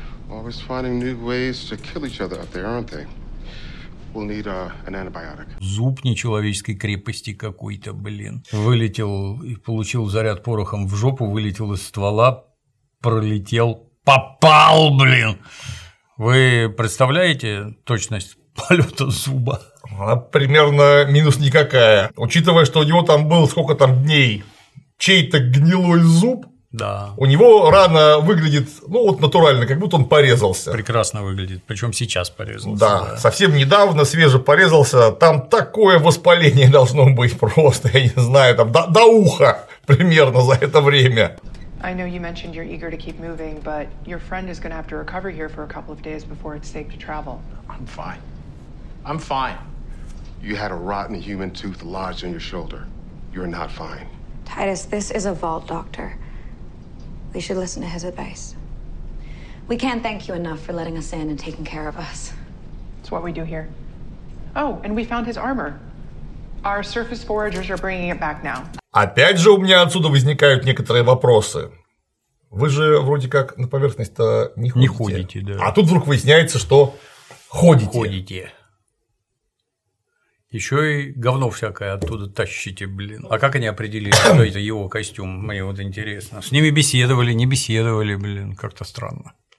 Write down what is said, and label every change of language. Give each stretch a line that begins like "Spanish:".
English: Always finding new ways to kill each other out there, aren't they? We'll need an antibiotic.
Russian: Зуб нечеловеческой крепости какой-то, блин. Вылетел и получил заряд порохом в жопу, вылетел из ствола. Пролетел, попал, блин! Вы представляете точность полета зуба? Она примерно минус никакая. Учитывая, что у него там было сколько там дней, чей-то гнилой зуб. Да. У него рана выглядит, ну вот натурально, как будто он порезался. Прекрасно выглядит, причем сейчас порезался. Да, да, совсем недавно свеже порезался, там такое воспаление должно быть просто, я не знаю, там до уха примерно за это время.
English: I know you mentioned you're eager to keep moving, but your friend is going to have to recover here for a couple of days before it's safe to travel. I'm fine. You had a rotten human tooth lodged in your shoulder. You're not fine. Titus, this is a vault doctor. We should listen to his advice. We can't thank you enough for letting us in and taking care of us. It's what we do here. Oh, and we found his armor. Our surface foragers are bringing it back now.
Russian: Опять же, у меня отсюда возникают некоторые вопросы. Вы же вроде как на поверхность-то не ходите. Не ходите, да. А тут вдруг выясняется, что ходите. Ходите. Еще и говно всякое оттуда тащите, блин. А как они определили, что это его костюм? Мне вот интересно. С ними беседовали, не беседовали, блин, как-то странно.